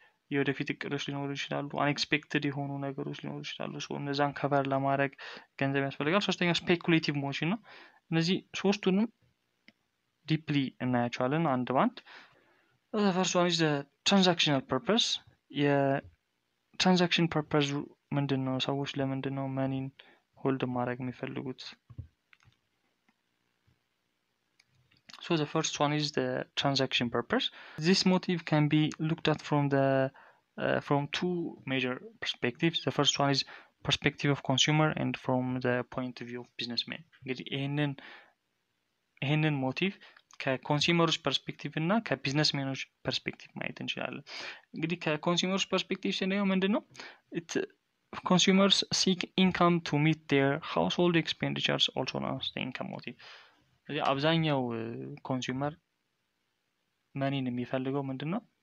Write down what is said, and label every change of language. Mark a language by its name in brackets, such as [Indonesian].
[Amharic] የወደፊት እቅዶች ሊኖሩ ይችላሉ። አንኤክስፔክትድ የሆኑ ነገሮች ሊኖሩ ይችላሉ። ሶ እነዛን ከቨር ለማድረግ ገንዘብ ያስፈልጋል። ሶስተኛ ስፔኩሌቲቭ ሞሽን ነው። እነዚህ ሶስቱንም ዲፕሊ እናያቸዋለን አንድ ባንድ። [English] ፈርስት ዋን ኢዝ ትራንዛክሽናል ፐርፐስ። [Amharic] የትራንዛክሽን ፐርፐስ ምንድን ነው? ሰዎች ለምንድን ነው መኒን ሆልድ ማድረግ የሚፈልጉት? [English] So the first one is the transaction purpose. This motive can be looked at from the from two major perspectives. The first one is perspective of consumer and from the point of view of businessman. [Amharic] ይህንን ሞቲቭ ከኮንሱመሮች ፐርስፔክቲቭ እና ከቢዝነስሜኖች ፐርስፔክቲቭ ማየት እንችላለን። እንግዲህ ከኮንሱመሮች ፐርስፔክቲቭ ስናየው ምንድን ነው? [English] ኮንሱመርስ ሲክ ኢንካም ቱ ሚት ዴር ሃውስሆልድ ኤክስፔንዲቸርስ ኦልሶ ናውስ ኢንካም ሞቲቭ። [Amharic] ስለዚህ አብዛኛው ኮንሱመር መኒን የሚፈልገው ምንድን ነው?